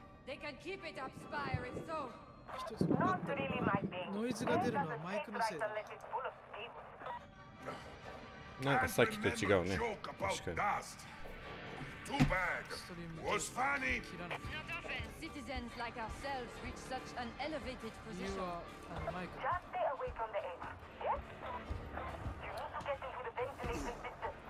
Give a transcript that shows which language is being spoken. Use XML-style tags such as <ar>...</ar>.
<en>They can keep it up, Spire, if so. Not really my thing.</en> <ja>ノイズが出るのはマイクのせいだ。なんかさっきと違うね。確かに。</ja> <en>Too bad. Was funny. Not often citizens like ourselves reach such an elevated position. You are, Michael. Just stay away from the edge. Yes? You need to get into the ventilation system.</en>